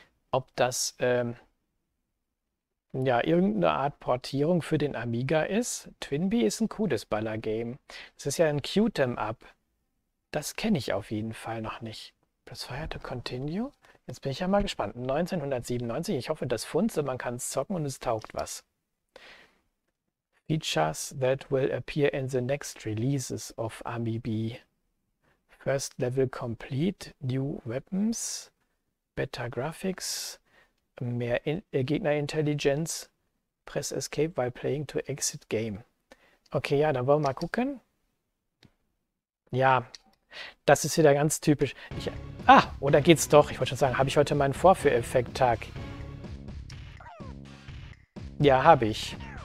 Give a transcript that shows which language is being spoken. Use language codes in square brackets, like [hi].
[de] Ob das ja, irgendeine Art Portierung für den Amiga ist. Twinbee ist ein cooles Ballergame. Es ist ja ein Cute'em'up. Das kenne ich auf jeden Fall noch nicht. [en] Press Fire to Continue. [de] Jetzt bin ich ja mal gespannt. 1997. Ich hoffe, das funzt, man kann es zocken und es taugt was. [en] Features that will appear in the next releases of AmiBi. First level complete, new weapons, better graphics, [de] mehr Gegnerintelligenz. [en] Press Escape while playing to exit game. [de] Okay, ja, dann wollen wir mal gucken. Ja, das ist wieder ganz typisch. Oder geht's doch? Ich wollte schon sagen, habe ich heute meinen Vorführeffekt-Tag? Ja, habe ich.